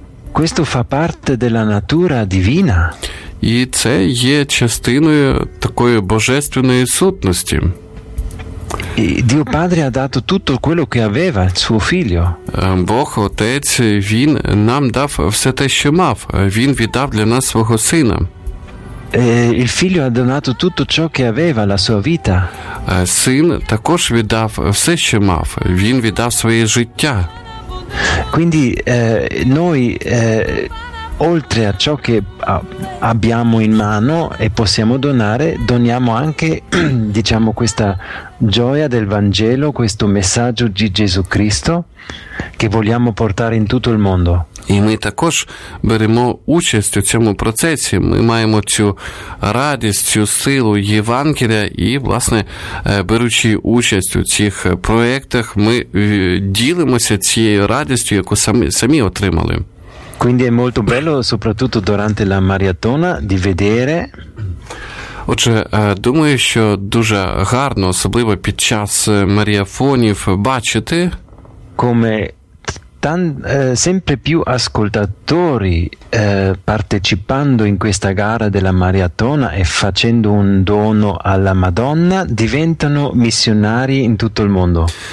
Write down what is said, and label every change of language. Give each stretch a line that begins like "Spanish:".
Italian: Questo fa parte della natura divina.
Ukrainian: І це є частиною такої божественної сутності.
Italian: Dio Padre ha dato tutto quello che aveva, suo figlio.
Ukrainian: Бог Отець, він нам дав все те, що мав. Він віддав для нас свого сина.
Italian: Il figlio ha donato tutto ciò che aveva, la sua vita.
Ukrainian: Син також віддав все, що мав. Він віддав своє життя.
Italian: Quindi noi oltre a ciò che abbiamo in mano e possiamo donare, doniamo anche, diciamo, questa gioia del Vangelo, questo messaggio di Gesù Cristo che vogliamo portare in tutto il mondo.
Ukrainian: І ми також беремо участь у цьому процесі. Ми маємо цю радість, цю силу Євангелія і, власне, беручи участь у цих проєктах, ми ділимося цією радістю, яку самі отримали.
Italian: Quindi è molto bello, soprattutto durante la maratona, di vedere.
Ukrainian: Отже, думаю, що дуже гарно, особливо під час маріафонів, бачити,
Italian: come sempre più ascoltatori partecipando in questa gara della maratona e facendo un dono alla Madonna diventano missionari in tutto il mondo.